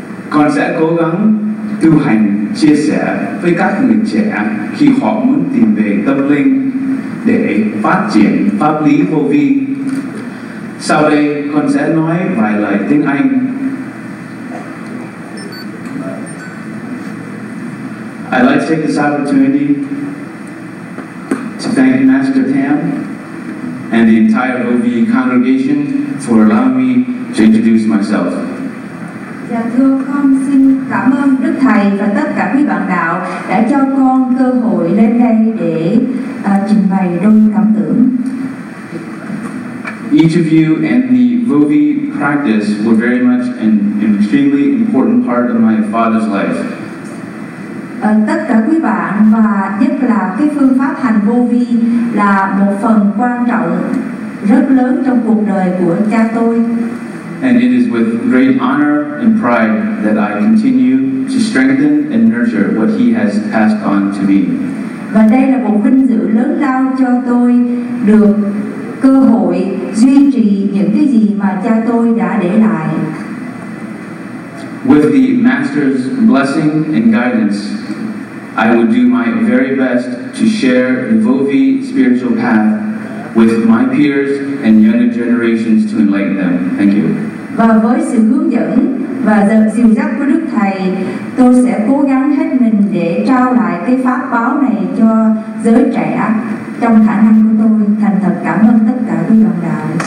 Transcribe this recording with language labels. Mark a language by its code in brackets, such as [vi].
[vi] Con sẽ cố gắng tu hành chia sẻ với các người trẻ khi họ muốn tìm về tâm linh để phát triển pháp lý vô vi. Sau đây con sẽ nói vài lời tiếng Anh. [en] I'd like to take this opportunity to thank Master Tam and the entire OVE congregation for allowing me to introduce myself. [vi] Dạ thưa con, xin cảm ơn Đức Thầy và tất cả quý bạn đạo đã cho con cơ hội lên đây để trình bày đôi cảm tưởng. [en] Each of you and the VOVI practice were very much an extremely important part of my father's life. [vi] Tất cả quý bạn và nhất là cái phương pháp hành VOVI là một phần quan trọng rất lớn trong cuộc đời của cha tôi. [en] And it is with great honor and pride that I continue to strengthen and nurture what he has passed on to me. [vi] Và đây là một vinh dự lớn lao cho tôi được cơ hội duy trì những cái gì mà cha tôi đã để lại. [en] With the Master's blessing and guidance, I will do my very best to share the VOVI spiritual path with my peers and younger generations to enlighten them. Thank you. [vi] Và với sự hướng dẫn và dìu dắt của Đức Thầy, tôi sẽ cố gắng hết mình để trao lại cái pháp báo này cho giới trẻ trong khả năng của tôi. Thành thật cảm ơn tất cả quý đồng đạo.